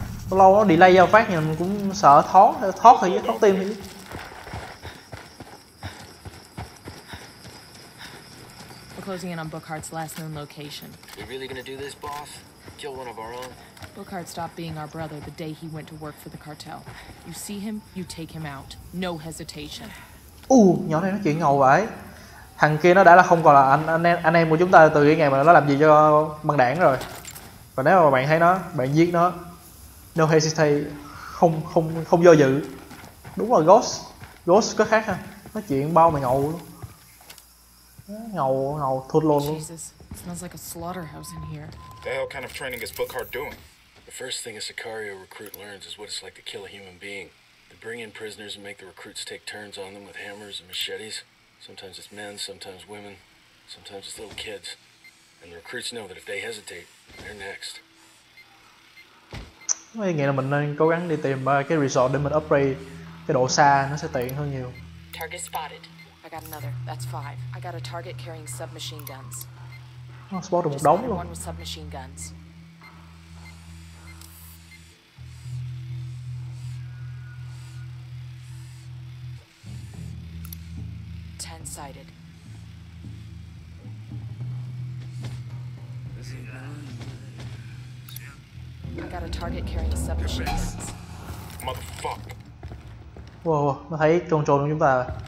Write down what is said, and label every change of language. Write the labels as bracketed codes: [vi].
[vi] Lâu nó delay vào phát nhưng cũng sợ thoát thì thoát tim thì. [en] We're closing in on Bookhart's last known location. You're really gonna do this, boss? Kill one of our own? Bookhart stopped being our brother the day he went to work for the cartel. You see him, you take him out. No hesitation. [vi] Nhỏ này nó chuyện ngầu vậy. Thằng kia nó đã là không còn là anh em của chúng ta từ cái ngày mà nó làm gì cho băng đảng rồi. Và nếu mà bạn thấy nó, bạn giết nó, No hesitate, không do dự. Đúng là Ghost. Ghost có khác ha. Nói chuyện bao mày ngầu luôn. Ngầu thụt lồn luôn. [en] Jesus, it smells like a slaughterhouse in here. The hell kind of training is Bookhart doing? The first thing a Sicario recruit learns is what it's like to kill a human being. They bring in prisoners and make the recruits take turns on them with hammers and machetes. Sometimes it's men, sometimes women, sometimes it's little kids. And the recruits know that if they hesitate, they're next. [vi] Mấy nghĩa là mình nên cố gắng đi tìm cái resort để mình upgrade cái độ xa, nó sẽ tiện hơn nhiều. [en] Target spotted. I got another. That's five. I got a target carrying submachine guns. [vi] Nó spot được một đống luôn. [en] One with submachine guns. Ten sighted. I got a target carrying submachine guns. Motherfuck. [vi] Wow, nó thấy trồn trồn của chúng ta.